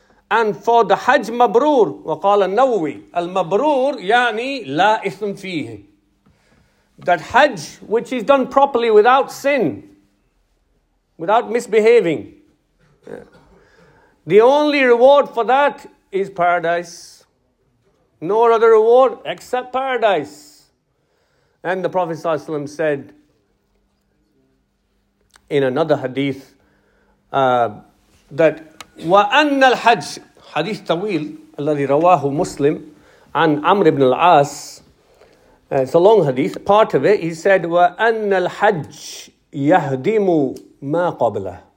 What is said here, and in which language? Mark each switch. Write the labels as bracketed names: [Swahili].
[English] And for the Hajj Mabrur, [Arabic] وَقَالَ النَّوْوِي Al-Mabrur يَعْنِي لَا إِثْمْ فِيهِ. [English] That Hajj, which is done properly without sin, without misbehaving, the only reward for that is paradise. No other reward except paradise. And the Prophet ﷺ said, in another hadith, that [Arabic] وَأَنَّ الْحَجِّ حَدِيثٌ طَوِيلٌ الَّذِي رَوَاهُ مُسْلِمٌ عَنْ عَمْرِ بْنِ الْعَاسِ. [English] It's a long hadith. Part of it, he said, [Arabic] وَأَنَّ الْحَجِّ يَهْدِمُ مَا قَبْلَهُ.